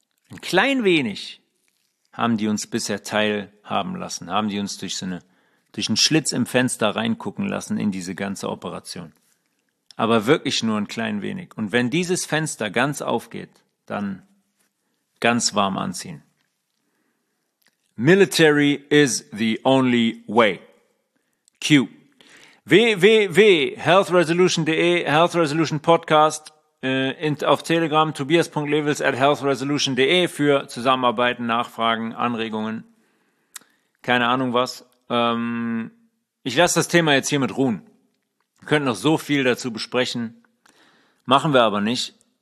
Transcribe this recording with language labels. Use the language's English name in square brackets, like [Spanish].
[German] Ein klein wenig haben die uns bisher teilhaben lassen, haben die uns durch einen Schlitz im Fenster reingucken lassen in diese ganze Operation. Aber wirklich nur ein klein wenig. Und wenn dieses Fenster ganz aufgeht, dann ganz warm anziehen. [English] Military is the only way. Q. [German] www.healthresolution.de, Health Resolution Podcast, auf Telegram, tobias.levels@healthresolution.de für Zusammenarbeiten, Nachfragen, Anregungen, keine Ahnung was. Ich lasse das Thema jetzt hiermit ruhen. Wir könnten noch so viel dazu besprechen, machen wir aber nicht.